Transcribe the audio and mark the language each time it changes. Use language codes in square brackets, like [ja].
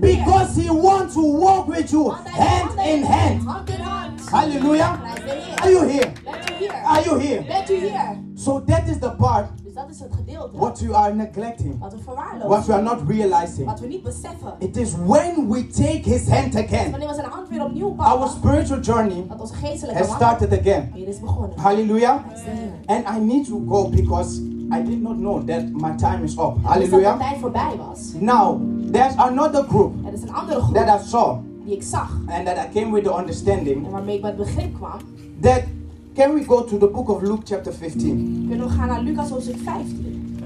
[en] Because He wants to walk with you hand in hand. Hallelujah. Are you here? Are you here? So that is the part. [nl] Dat is het gedeelte. [en] What you are neglecting. [nl] Wat we verwaarlozen. [en] What you are not realizing. [nl] Wat we niet beseffen. [en] It is when we take His hand again. [nl] Dat is wanneer we zijn hand weer opnieuw pakken. [en] Our spiritual journey. [nl] Dat onze geestelijke wandeling. [en] Has started again. [nl] Hier is begonnen. Hallelujah. [en] And I need to go because I did not know that my time is up. Hallelujah. [nl] Dat mijn tijd voorbij was. [en] Now, there's another group. [nl] Er is een andere groep. [en] That I saw. [nl] Die ik zag. [en] And that I came with the understanding. [nl] En waarmee ik met begrip kwam. [en] That can we go to the book of Luke chapter 15? [nl] Kunnen we gaan naar Lucas hoofdstuk 15?